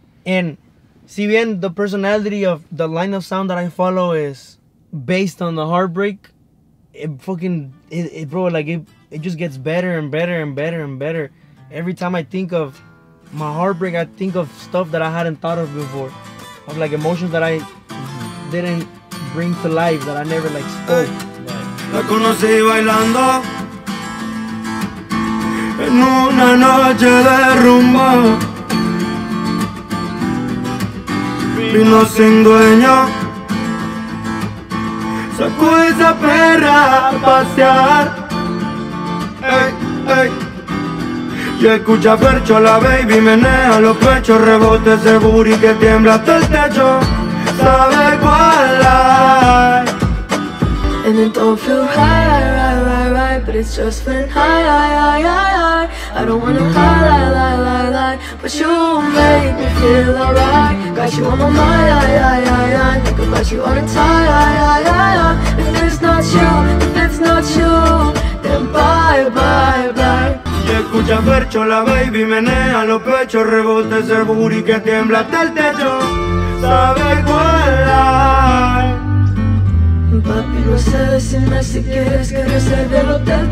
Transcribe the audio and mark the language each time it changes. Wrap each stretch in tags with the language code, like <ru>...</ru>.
<en>And</en> <es>si bien</es> <en>the personality of the line of sound that I follow is based on the heartbreak, it fucking... It just gets better and better and better and better. every time I think of my heartbreak, I think of stuff that I hadn't thought of before. Of like emotions that I didn't bring to life, that I never like spoke.</en> <es>La conocí bailando en una noche de rumba. Vino sin dueño, sacó esa perra a pasear. Ey, ey. Y escucha percho a la baby, menea los pechos, rebote ese booty que tiembla hasta el techo. Sabe cuál hay.</es> <en>And it don't feel right, but it's just been high. I don't wanna lie, but you make me feel alright. Got you on my mind, think about you all the time. If it's not you, then bye.</en> <es>Y escucha percho la baby, menea los pechos, rebote ese booty que tiembla hasta el techo. Sabe cuál hay. Papi, no sé, decime si quieres que reserve el hotel.</es>